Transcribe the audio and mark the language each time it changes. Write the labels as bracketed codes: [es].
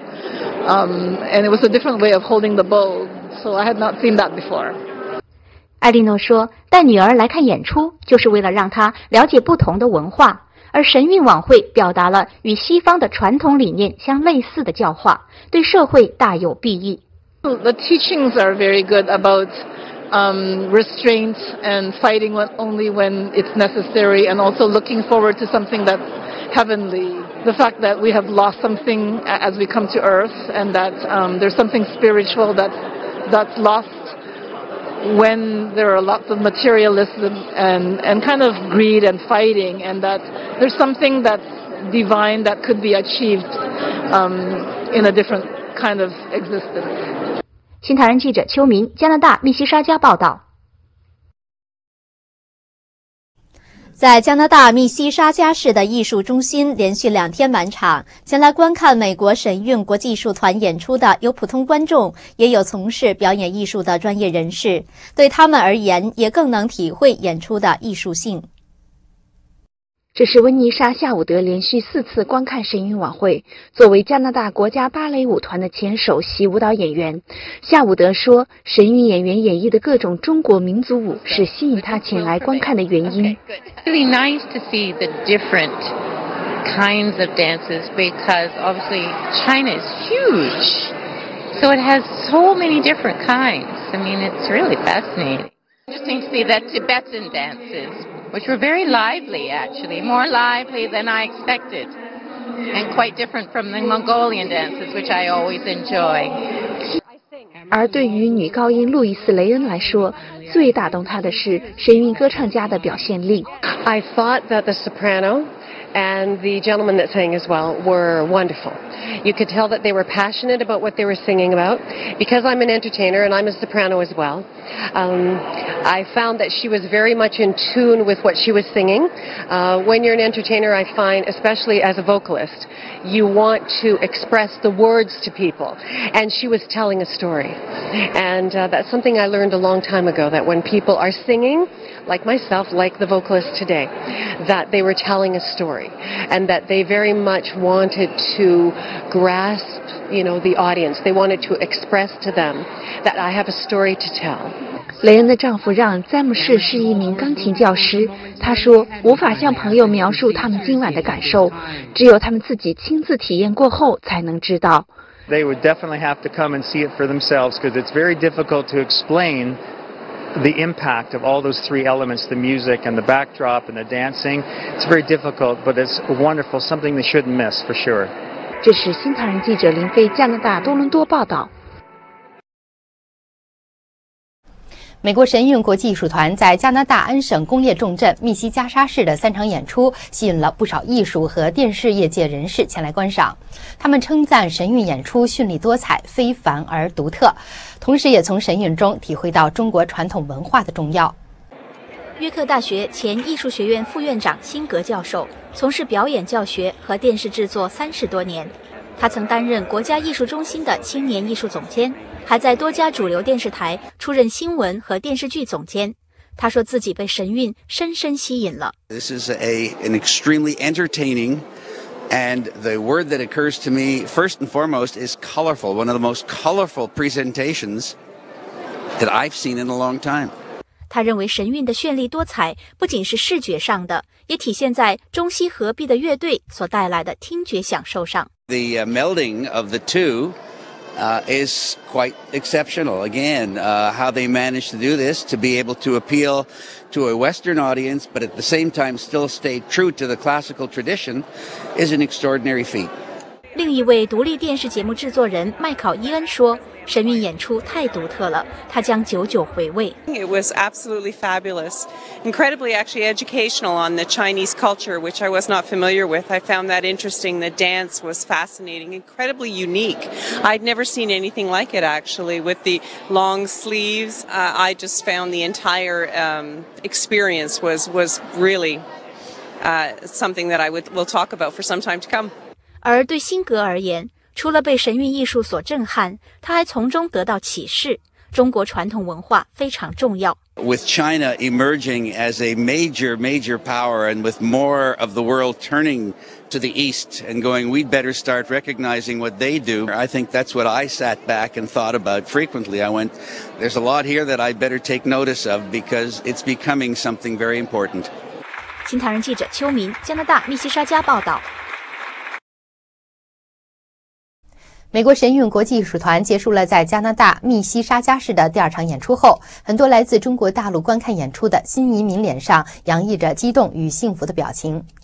[en] And it was a different way of holding the bow, so I had not seen that before. [zh] 艾莉诺说，带女儿来看演出，就是为了让她了解不同的文化，而神韵晚会表达了与西方的传统理念相类似的教化，对社会大有裨益。 [en] The teachings are very good about restraint and fighting only when it's necessary and also looking forward to something that's heavenly. The fact that we have lost something as we come to earth and that there's something spiritual that's lost when there are lots of materialism and kind of greed and fighting and that there's something that's divine that could be achieved in a different kind of existence. [zh] 新唐人记者邱明，加拿大密西沙加报道。在加拿大密西沙加市的艺术中心连续两天满场，前来观看美国神韵国际艺术团演出的有普通观众，也有从事表演艺术的专业人士，对他们而言也更能体会演出的艺术性。这是温妮莎·夏伍德连续四次观看神韵晚会。作为加拿大国家芭蕾舞团的前首席舞蹈演员，夏伍德说，神韵演员演绎的各种中国民族舞是吸引他前来观看的原因。 [en] It's really nice to see the different kinds of dances because obviously China is huge, so it has so many different kinds. I mean, it's really fascinating. Interesting to see the Tibetan dances. Which were very lively, actually, more lively than I expected, and quite different from the Mongolian dances, which I always enjoy. [zh] 而对于女高音路易斯·雷恩来说，最打动她的是神韵歌唱家的表现力。 [en] I thought that the soprano and the gentleman that sang as well were wonderful. You could tell that they were passionate about what they were singing about. Because I'm an entertainer and I'm a soprano as well, I found that she was very much in tune with what she was singing. When you're an entertainer, I find, especially as a vocalist, you want to express the words to people. And she was telling a story. And that's something I learned a long time ago, that when people are singing, like myself, like the vocalist today, that they were telling a story. And that they very much wanted to grasp, you know, the audience. They wanted to express to them that I have a story to tell. [zh] 雷恩的丈夫让·詹姆士是一名钢琴教师，他说无法向朋友描述他们今晚的感受，只有他们自己亲自体验过后才能知道。 [en] They would definitely have to come and see it for themselves because it's very difficult to explain the impact of all those three elements, the music and the backdrop and the dancing. It's very difficult, but it's wonderful, something they shouldn't miss for sure. [zh] 这是新唐人记者林飞，加拿大多伦多报道。美国神韵国际艺术团在加拿大安省工业重镇密西加沙市的三场演出吸引了不少艺术和电视业界人士前来观赏。他们称赞神韵演出绚丽多彩，非凡而独特，同时也从神韵中体会到中国传统文化的重要。约克大学前艺术学院副院长辛格教授从事表演教学和电视制作30多年，他曾担任国家艺术中心的青年艺术总监，还在多家主流电视台出任新闻和电视剧总监。他说自己被神韵深深吸引了。 [en] This is an extremely entertaining, and the word that occurs to me first and foremost is colorful, one of the most colorful presentations that I've seen in a long time. [zh] 他认为神韵的绚丽多彩不仅是视觉上的，也体现在中西合璧的乐队所带来的听觉享受上。 [en] The melding of the two is quite exceptional. Again, how they managed to do this to be able to appeal to a Western audience, but at the same time still stay true to the classical tradition, is an extraordinary feat. [zh] 另一位独立电视节目制作人麦考伊恩说，神韵演出太独特了，他将久久回味。 [en] It was absolutely fabulous, incredibly actually educational on the Chinese culture, which I was not familiar with. I found that interesting. The dance was fascinating, incredibly unique. I'd never seen anything like it actually, with the long sleeves. I just found the entire experience was really something that I will talk about for some time to come. [zh] 而对辛格而言，除了被神韵艺术所震撼，他还从中得到启示，中国传统文化非常重要。 [en] With China emerging as a major, major power, and with more of the world turning to the East and going, we'd better start recognizing what they do. I think that's what I sat back and thought about frequently. I went, there's a lot here that I'd better take notice of because it's becoming something very important. [zh] 新唐人记者邱明，加拿大密西沙加报道。美国神韵国际艺术团结束了在加拿大密西沙加市的第二场演出后，很多来自中国大陆观看演出的新移民脸上洋溢着激动与幸福的表情。